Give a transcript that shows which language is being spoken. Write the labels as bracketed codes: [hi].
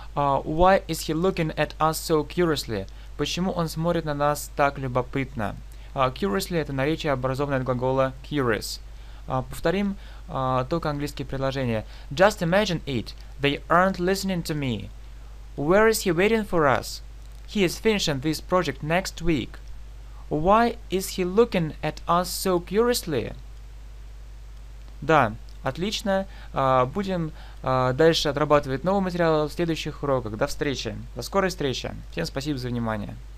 [en] Why is he looking at us so curiously? [ru] Почему он смотрит на нас так любопытно? Curiously — это наречие, образованное от глагола curious. Повторим только английские предложения. [en] Just imagine it. They aren't listening to me. Where is he waiting for us? He is finishing this project next week. Why is he looking at us so curiously? [ru] Да, отлично. Будем дальше отрабатывать новый материал в следующих уроках. До встречи. До скорой встречи. Всем спасибо за внимание.